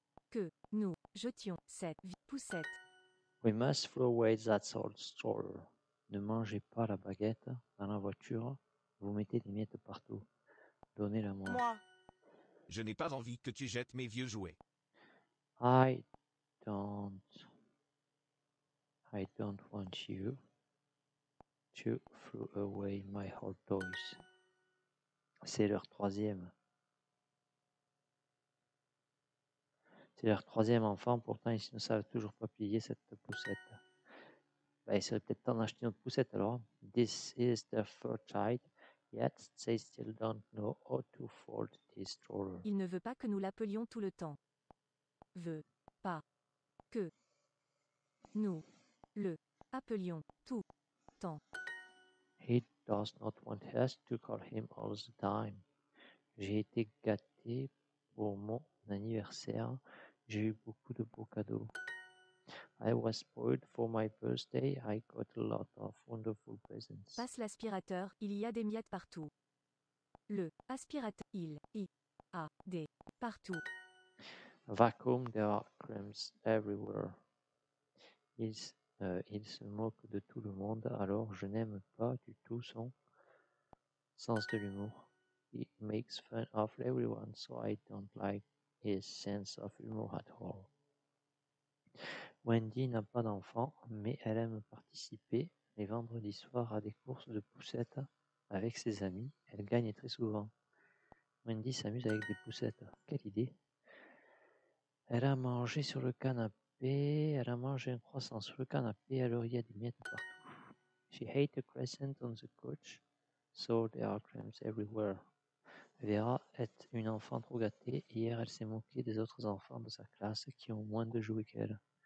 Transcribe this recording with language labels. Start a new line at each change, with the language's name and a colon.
French: Que nous jetions cette vieille poussette.
English: We must throw away that old stroller.
French: Ne mangez pas la baguette dans la voiture. Vous mettez des miettes partout. Donnez-la-moi. Moi. Je n'ai pas envie que tu jettes mes vieux jouets.
English: I don't want you to throw away my old toys.
French: C'est leur troisième. C'est leur troisième enfant, pourtant ils ne savent toujours pas plier cette poussette. Ben, il serait peut-être temps d'acheter une autre poussette alors.
English: This is the third child, yet they still don't know how to fold this stroller.
French: Il ne veut pas que nous l'appelions tout le temps. Veut pas que nous le appelions tout le temps.
English: He does not want us to call him all the time.
French: J'ai été gâté pour mon anniversaire. J'ai eu beaucoup de beaux cadeaux.
English: I was spoiled for my birthday. I got a lot of wonderful presents.
French: Passe l'aspirateur, il y a des miettes partout. Le aspirateur, il y a des partout.
English: Vacuum, there are crumbs everywhere.
French: Il se moque de tout le monde, alors je n'aime pas du tout son sens de l'humour.
English: He makes fun of everyone, so I don't like his sense of humor at all.
French: Wendy n'a pas d'enfant, mais elle aime participer les vendredis soirs à des courses de poussettes avec ses amis. Elle gagne très souvent. Wendy s'amuse avec des poussettes. Quelle idée! Elle a mangé sur le canapé. Elle a mangé un croissant sur le canapé. Alors il y a des miettes partout.
English: She hates a crescent on the couch, so there are crumbs everywhere.
French: Vera est une enfant trop gâtée. Hier, elle s'est moquée des autres enfants de sa classe qui ont moins de jouets qu'elle.